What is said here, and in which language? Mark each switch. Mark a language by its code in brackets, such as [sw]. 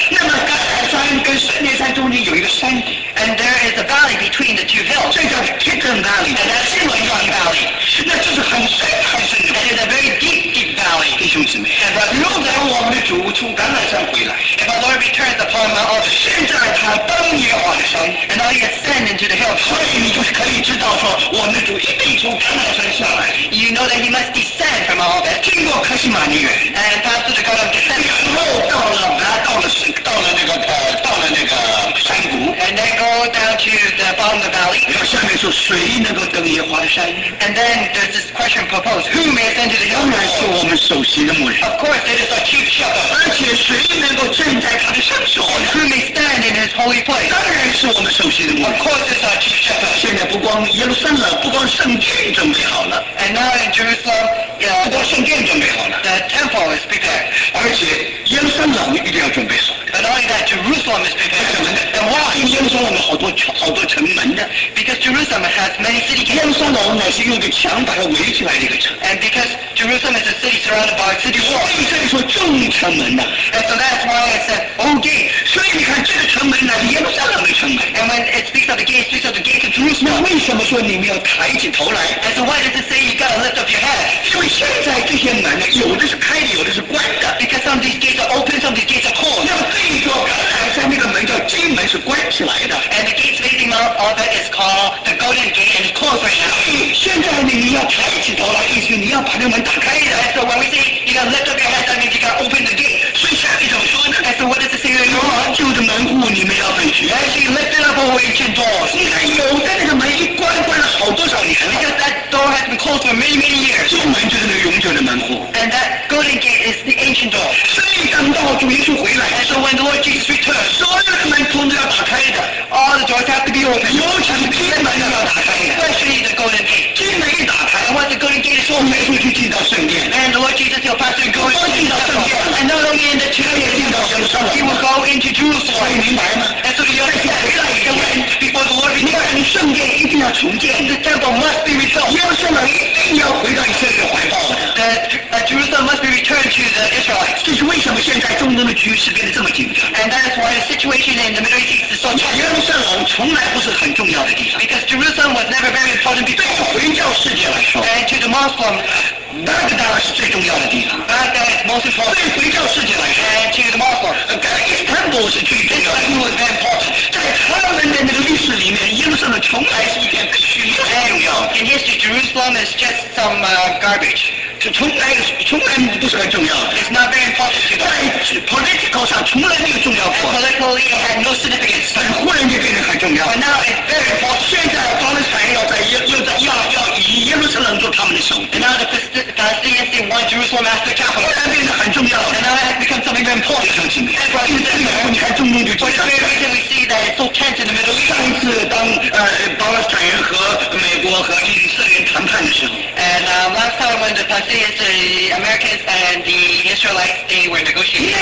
[zh] 那么橄榄山跟圣殿山中间有一个山 [en] ，And there is a valley between the two hills. [zh] 这叫 Kidron Valley. [en] And that's Kidron Valley. [zh] 那这是很深很深的。 [en] That is a very deep, deep valley. [zh] 弟兄姊妹。 [en] And but [zh] 如果我们的主从橄榄山回来 [en] ，If our Lord returns upon Mount Olivet, [zh] 现在他登耶和华的山 [en] ，And now he has Send into the hill. [zh] 所以你就是可以知道说，我们的主一定从橄榄山下来。 [en] You know that he must descend from all that. [zh] 经过克西马尼园 [en] ，and pass through the Garden of Gethsemane. [zh] 然后到了山谷 [en] ，and then go down to the bottom of the valley. [zh] 然后下面说，谁能够登耶和华的山 [en] ？And then there's this question proposed: Who may ascend to the hill? [zh] 当然是我们首席的牧人。 [en] Of course, it is our chief shepherd. [zh] 而且谁能够站在他的圣所 [en] ？Who may stand in his holy place? [zh] 当然是我们首席的牧人。 [en] Of course, it's our chief shepherd. [zh] 现在不光耶路撒冷，不光圣殿准备好了。 [en] And now in Jerusalem, [zh] yeah, 不光圣殿准备好了。 [en] The temple is prepared. [zh] 而且耶路撒冷一定要准备好。 [en] But not only that, Jerusalem is prepared. [zh] 为什么呢？ [en] And why? [zh] 因为耶路撒冷有好多城门呢。 [en] Because Jerusalem has many city gates. [zh] 耶路撒冷乃是用个墙把它围起来的一个城。 [en] And because Jerusalem is a city surrounded by a city wall. [zh] 所以这里说众城门呢。 [en] And so that's why it's an old gate. [zh] 所以你看这个城门乃是耶路撒冷的城门。 [en] And when it speaks of the gates, speaks of the gates of Jerusalem. [zh] 那为什么说你们要抬起头来？ [en] And so why does it say you gotta lift up your head? [zh] 因为现在这些门呢，有的是开的，有的是关的。 [en] Because some of these gates are open, some of these gates are closed. [zh] 这座橄榄山那个门叫金门，是关起来的。 [en] And the gate facing Mount Olivet is called the Golden Gate, and it's closed right now. [zh] 现在呢，你要抬起头来，意思你要把那门打开的。 [en] And so when we say you gotta lift up your head, that means you gotta open the gate. [zh] 所以下面怎么说呢 [en] ？And so what does it say to you? [zh] 永久的门户你们要被取。 [en] And you lifted up all ancient doors. [zh] 你看有的那个门一关了好多少年了。 [en] Because that door has been closed for many many years. [zh] 金门就是那个永久的门户。 [en] And that Golden Gate is the ancient door. [zh] 所以等到主耶稣回来。 [en] And so when the Lord Jesus returns, [zh] 所有的门通通要打开的。 [en] All the doors have to be opened. [zh] 尤其是金门要打开的。 [en] Especially the Golden Gate. [zh] 金门一打开 [en] ，And when the Golden Gate is opened, [zh] 耶稣就进到圣殿。 [en] And the Lord Jesus will pass through Golden [zh] Gate. 进到圣殿。 [en] And not only in the church, [zh] 也进到耶路撒冷。 [en] He will go into Jerusalem. [zh] 所以明白吗 [en] ？And so you have to wait until when before the Lord returns. [zh] 你看，圣殿一定要重建。 [en] The temple must be rebuilt. [zh] 耶路撒冷一定要回到以色列怀抱。 [en] That Jerusalem must be returned to the Israelites. [zh] 这是为什么？什么现在中东的局势变得这么紧张？ [en] And that is why the situation in the Middle East is so tense. [zh] 耶路撒冷从来不是很重要的地方。 [en] Because Jerusalem was never very important before. [zh] 对回教世界来说。 [en] And to the Muslim, Baghdad is the most important place. Baghdad is most important. [zh] 对回教世界来说。 [en] And to the Muslim, Baghdad Temple is the most important. This temple is very important. [zh] 在他们的那个历史里面，耶路撒冷从来是一点区域重要。 [en] In history, Jerusalem is just some garbage. [zh] 从来不是很重要的。 [en] It's not very important. [zh] 在 political 上从来没有重要过。 [en] And、politically, it had no significance. [zh] 但忽然间变得很重要。 [en] But now it's very important. [zh] 现在巴勒斯坦要以耶路撒冷做他们的首都。 [en] And now the Palestinians want Jerusalem as the capital. [zh] 突然变得很重要。 [en] And now it has become something very important. [zh] 弟兄姊妹。 [en] And brothers and sisters. [zh] 因为这里你看中东就这样。 [en] But we see that it's so tense in the Middle East. [zh] 上次当巴勒斯坦人和美国和以色列谈判的时候。 [en] And last time when the Palestinians, the Americans and the Israelites, they were negotiating.